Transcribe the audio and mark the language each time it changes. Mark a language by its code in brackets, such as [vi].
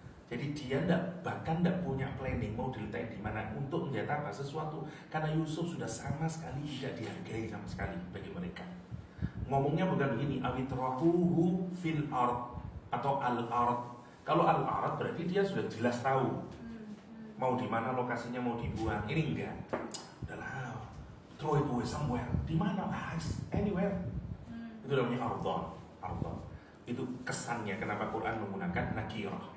[id] Jadi dia enggak, bahkan enggak punya planning mau diletakkan di mana untuk menyatakan sesuatu, karena Yusuf sudah sama sekali tidak dihargai sama sekali bagi mereka. Ngomongnya bukan begini, [ar] awitrahuhu fil ard [id] atau al ard. Kalau al ard berarti dia sudah jelas tahu mau di mana lokasinya mau dibuang. Ini enggak. Udahlah, [en] throw it away somewhere. [id] Di mana? Anywhere. Itu namanya ardon. Ardon. Itu kesannya kenapa Quran menggunakan nakirah.